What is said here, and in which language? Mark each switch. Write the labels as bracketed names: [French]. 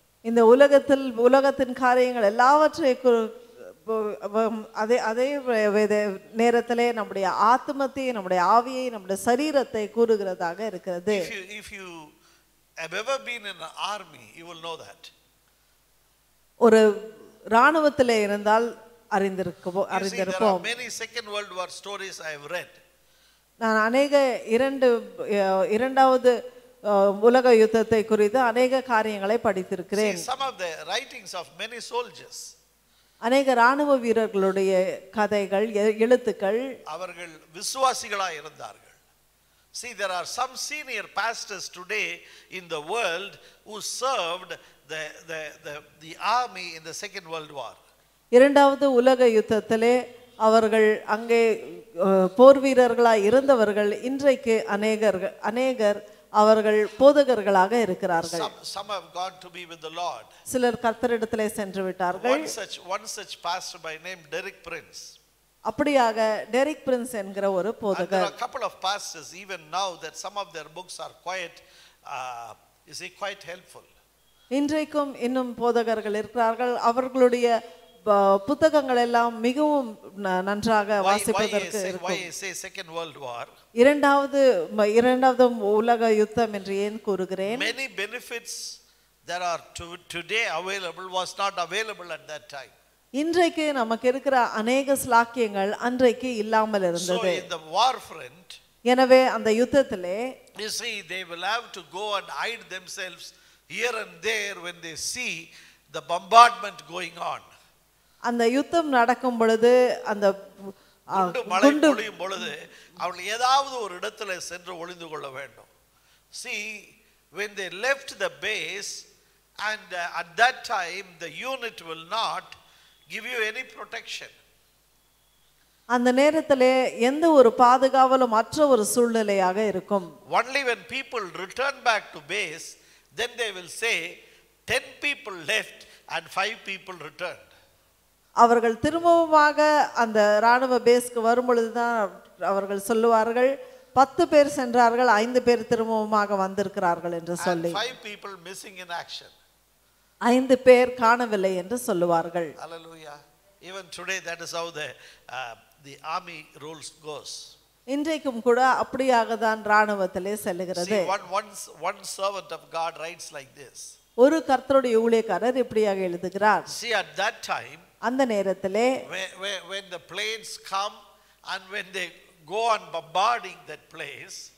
[Tamil] இந்த உலகத்தில் உலகத்தின் காரியங்கள் எல்லாவற்றையும், அதே நேரத்திலே நம்முடைய ஆத்மத்தை, நம்முடைய ஆவியை, நம்முடைய சரீரத்தை கூறுகிறதாக இருக்கிறது. [English] If you have ever been in an army, you will know that. [Tamil] ஒரு ராணுவத்திலே இருந்தால் அறிந்திருப்போம். [English] There are many Second World War stories I have read. [Tamil] நான் அநேக இரண்டாவது உலக யுத்தத்தை குறித்து அநேக காரியங்களை படித்திருக்கிறேன். [English] See, some of the writings of many soldiers. [Tamil] அநேக ராணுவ வீரர்களுடைய கதைகள், எழுத்துக்கள். அவர்கள் விசுவாசிகளாக இருந்தார்கள். [English] See, there are some senior pastors today in the world who served the army in the Second World War. [Tamil] இரண்டாவது உலக யுத்தத்திலே அவர்கள் அங்கே போர் வீரர்களாக இருந்தவர்கள் இன்றைக்கு அநேகர் அவர்கள் போதகர்களாக இருக்கிறார்கள். [English] Some have gone to be with the Lord. [Tamil] சிலர் கர்த்தரிடத்திலே சென்று விட்டார்கள். [English] One such pastor by name Derek Prince. [Tamil] அப்படியாக டெரிக் பிரின்ஸ் என்கிற ஒரு போதகர். [English] There are a couple of pastors even now that some of their books are quite helpful. [Tamil] இன்றைக்கும் இன்னும் போதகர்கள் இருக்கிறார்கள். அவர்களுடைய புத்தகங்கள் எல்லாம் மிகவும் நன்றாக வாசிப்பதற்கு இருக்கும். இரண்டாவது உலக யுத்தம் என்று ஏன் கூறுகிறேன்? [English] Many benefits that are today available was not available at that time. [Tamil] இன்றைக்கு நமக்கு இருக்கிற அநேக சலாக்கியங்கள் அன்றைக்கு இல்லாமல் இருந்தது. [English] So in the war front, [Tamil] எனவே அந்த யுத்தத்திலே, [English] you see, they will have to go and hide themselves here and there when they see the bombardment going on. [Tamil] அந்த யுத்தம் நடக்கும் பொழுது, அந்த குண்டு பொழியும் பொழுது, அவர்கள் ஏதாவது ஒரு இடத்துல சென்று ஒளிந்து கொள்ள வேண்டும். [English] See, when they left the base, and at that time the unit will not give you any protection. [Tamil] அந்த நேரத்திலே எந்த ஒரு பாதுகாவலும் அற்ற ஒரு சூழ்நிலையாக இருக்கும். [English] Only when people return back to base, then they will say, 10 people left and 5 people returned. [Tamil] அவர்கள் திரும்பவாக அந்த ராணுவ பேஸ்க்கு வரும்பொழுது தான் அவர்கள் சொல்லுவார்கள் 10 பேர் சென்றார்கள் 5 பேர் திரும்பவாக வந்திருக்கிறார்கள் என்று சொல்லி. [English] And 5 people missing in action. [Tamil] 5 பேர் காணவில்லை என்று சொல்லுவார்கள். Hallelujah. [English] Even today that is how the army rules goes. [Tamil] இன்றைக்கும் கூட அப்படியாக தான் ராணுவத்திலே செல்கிறது. [English] One servant of God writes like this. [Tamil] ஒரு கர்த்தருடைய ஊழியக்காரர் இப்படியாக எழுதுகிறார். [English] See at that time [Tamil] அந்த நேரத்திலே [English] when the planes come and when they go on bombarding that place